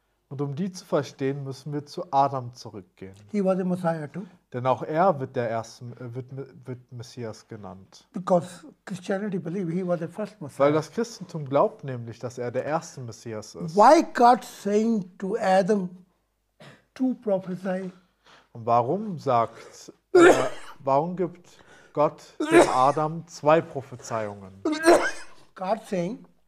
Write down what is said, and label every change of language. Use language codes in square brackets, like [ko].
[de] Und um die zu verstehen, müssen wir zu Adam zurückgehen. [en] He was a Messiah too. [de] Denn auch er wird der erste, wird Messias genannt. [en] Because Christianity believe he was the first Messiah. [de] Weil das Christentum glaubt nämlich, dass er der erste Messias ist. [en] Why God saying to Adam to prophesy? [de] Und warum sagt, warum gibt Gott dem Adam zwei Prophezeiungen? [en] God saying.